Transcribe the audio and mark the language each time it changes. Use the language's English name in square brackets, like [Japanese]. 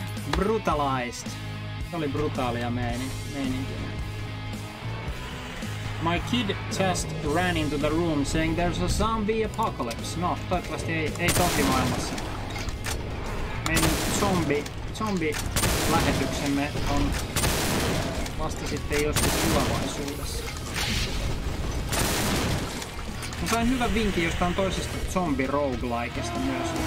[English] Brutalized. [Finnish] Se oli brutaalia meininkiä. [English] My kid just ran into the room saying there's a zombie apocalypse. [Finnish] No, toivottavasti ei toki maailmassa. Meidän zombi-lähetyksemme on vasta sitten joskus tulevaisuudessa. Mä sain hyvän vinkin jostain toisesta zombi-roguelikeista myös.